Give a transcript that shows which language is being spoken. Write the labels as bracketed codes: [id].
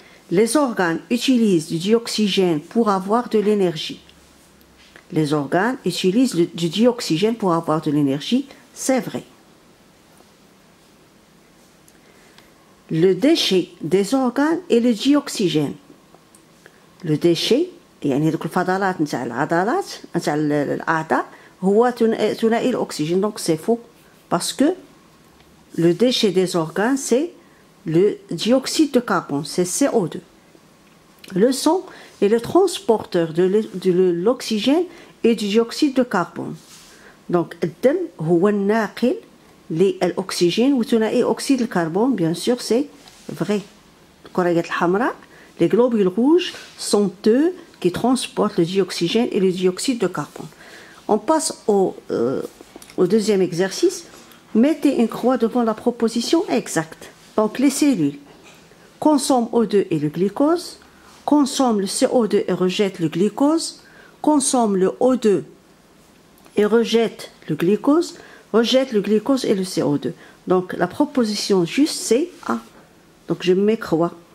[fr] Les organes utilisent du dioxygène pour avoir de l'énergie. Les organes utilisent du dioxygène pour avoir de l'énergie. C'est vrai. Le déchet des organes est le dioxygène. Le déchet, [ar] يعني دوك الفضلات نتاع العضلات نتاع الاعضاء هو ثنائي الاكسجين. [fr] Donc c'est faux, parce que le déchet des organes c'est le dioxyde de carbone, c'est CO2. Le sang est le transporteur de l'oxygène et du dioxyde de carbone. [ar] Donc الدم هو الناقل للاكسجين وثنائي اكسيد الكربون. [fr] Bien sûr c'est vrai. [ar] الكريات الحمراء, [fr] les globules rouges, sont eux qui transportent le dioxygène et le dioxyde de carbone. On passe au deuxième exercice. Mettez une croix devant la proposition exacte. Donc, les cellules consomment O2 et le glucose, consomment le CO2 et rejettent le glucose, consomment le O2 et rejettent le glucose et le CO2. Donc, la proposition juste, c'est A. Donc, je mets croix.